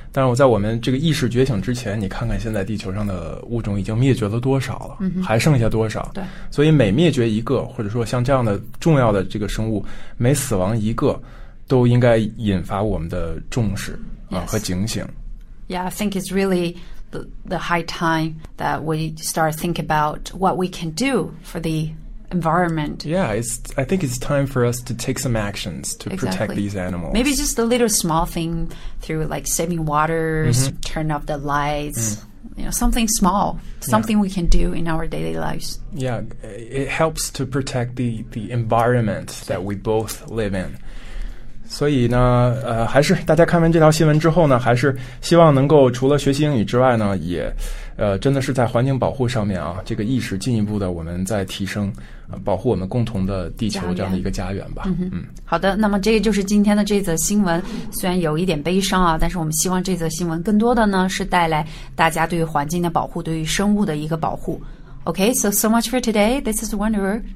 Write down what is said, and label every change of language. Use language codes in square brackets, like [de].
[zh] 但是在我们这个意识觉醒之前，你看看现在地球上的物种已经灭绝了多少了，还剩下多少。对，所以每灭绝一个，或者说像这样的重要的这个生物每死亡一个，都应该引发我们的重视和警醒。 [en] Yeah, I think it's really the high time that we start thinking about what we can do for the environment. Yeah, I think it's time for us to take some actions to protect these animals. Maybe just a little small thing through like saving waters, turn off the lights, you know, something small, something we can do in our daily lives. Yeah, it helps to protect the environment that we both live in. [zh] 所以呢，还是大家看完这条新闻之后呢，还是希望能够除了学习英语之外呢，也真的是在环境保护上面啊，这个意识进一步的我们在提升，保护我们共同的地球这样的一个家园吧。嗯，好的，那么这个就是今天的这则新闻，虽然有一点悲伤啊，但是我们希望这则新闻更多的呢是带来大家对于环境的保护，对于生物的一个保护。 [en] Okay, so much for today. This is Wanderer.